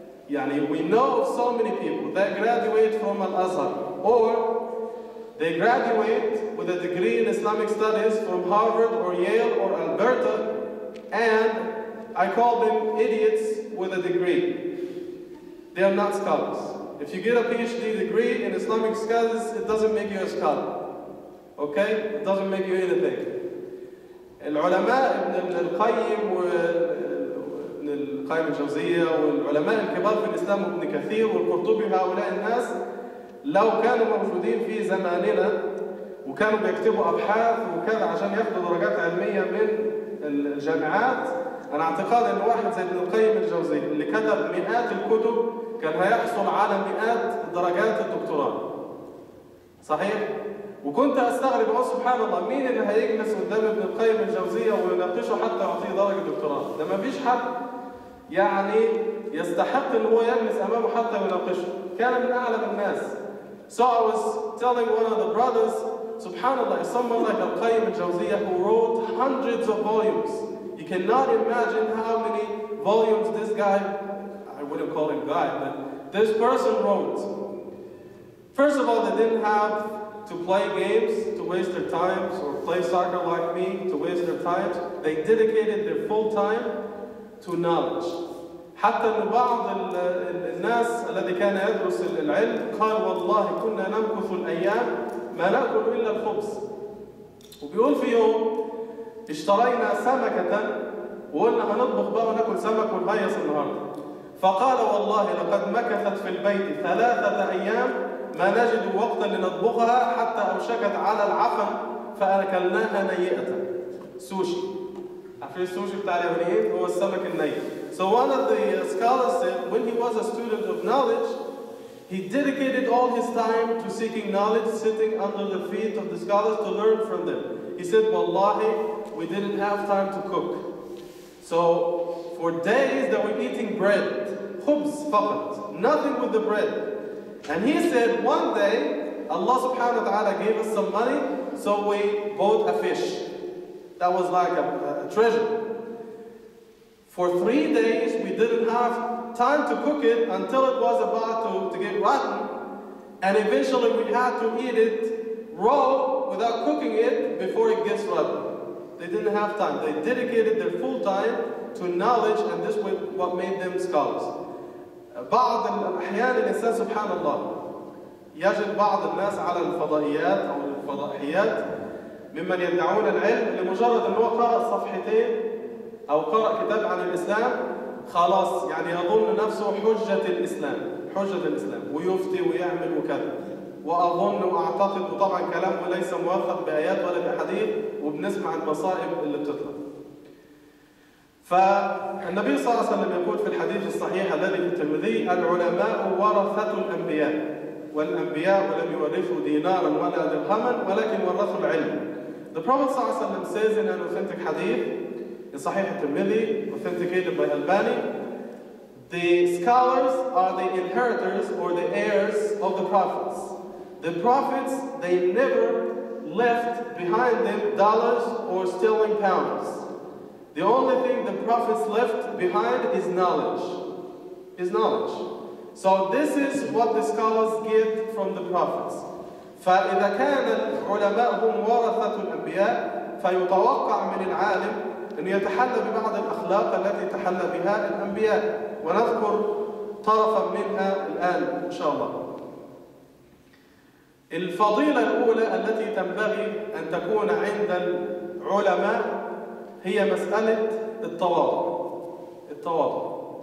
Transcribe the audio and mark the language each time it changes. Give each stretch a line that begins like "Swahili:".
English: Yani we know of so many people that graduate from Al-Azhar, or they graduate with a degree in Islamic studies from Harvard or Yale or Alberta, and I call them idiots with a degree. They are not scholars. If you get a PhD degree in Islamic studies, it doesn't make you a scholar, okay? It doesn't make you anything.
Arabic: العلماء ابن القيم وابن القيم الجوزية والعلماء الكبار في الإسلام ابن كثير والقرطبي، هؤلاء الناس لو كانوا موجودين في زماننا وكانوا بيكتبوا أبحاث وكذا عشان ياخدوا درجات علمية من الجامعات، أنا أعتقد أن واحد زي ابن القيم الجوزية اللي كتب مئات الكتب كان هيحصل على مئات درجات الدكتوراه، صحيح؟ وكنت أستغرب أقول سبحان الله مين اللي هيجلس قدام ابن القيم الجوزية ويناقشه حتى يعطيه درجة دكتوراه؟ ده ما فيش حد يعني يستحق إن هو يجلس أمامه حتى يناقشه. كان من أعلم الناس.
English: So I was telling one of the brothers, Subhanallah, someone like Al-Qayyim al-Jawziyyah who wrote hundreds of volumes. You cannot imagine how many volumes this guy, I wouldn't call him guy, but this person wrote. First of all, they didn't have to play games to waste their time, or play soccer like me to waste their time. They dedicated their full time to knowledge.
Arabic: حتى أن بعض الناس الذي كان يدرس العلم قال والله كنا نمكث الأيام ما نأكل إلا الخبز. وبيقول في يوم اشترينا سمكة وقلنا هنطبخ بقى ونأكل سمك ونبيص النهاردة. فقال والله لقد مكثت في البيت ثلاثة أيام ما نجد وقتا لنطبخها حتى أوشكت على العفن فأكلناها نيئة. سوشي. عارفين السوشي بتاع اليابانيين هو السمك النيئ.
English: So one of the scholars said, when he was a student of knowledge, he dedicated all his time to seeking knowledge, sitting under the feet of the scholars to learn from them. He said, Wallahi, we didn't have time to cook. So for days they were eating bread,
Arabic: khubz faqat,
English: nothing with the bread. And he said, one day, Allah subhanahu wa ta'ala gave us some money, so we bought a fish. That was like a treasure. For 3 days, we didn't have time to cook it until it was about to get rotten. And eventually we had to eat it raw without cooking it before it gets rotten. They didn't have time. They dedicated their full time to knowledge, and this was what made them scholars.
Arabic: بعض الأحيان الإنسان سبحان الله يجد بعض الناس على الفضائيات أو الفضائيات ممن يدعون العلم لمجرد أنه قرأ صفحتين أو قرأ كتاب عن الإسلام خلاص يعني يظن نفسه حجة الإسلام حجة الإسلام ويفتي ويعمل وكذا وأظن وأعتقد وطبعا كلامه ليس موافق بآيات ولا بحديث وبنسمع المصائب اللي بتطلع. فالنبي صلى الله عليه وسلم يقول في الحديث الصحيح الذي في الترمذي العلماء ورثة الأنبياء والأنبياء ولم يورثوا دينارا ولا درهما ولكن ورثوا العلم.
English: The Prophet صلى الله عليه وسلم says in an authentic hadith in Sahih al-Tirmidhi, authenticated by Albani, the scholars are the inheritors or the heirs of the prophets. The prophets, they never left behind them dollars or sterling pounds. The only thing the prophets left behind is knowledge. Is knowledge. So this is what the scholars get from the prophets.
Arabic: فَإِذَا كَانَ الْعُلَمَاءُهُمْ وَرَثَةُ الْأَنْبِيَاءِ فَيُتَوَقَّعْ مِنِ الْعَالِمِ أن يتحلى ببعض الأخلاق التي تحلى بها الأنبياء ونذكر طرفا منها الآن إن شاء الله. الفضيلة الأولى التي تنبغي أن تكون عند العلماء هي مسألة التواضع. التواضع.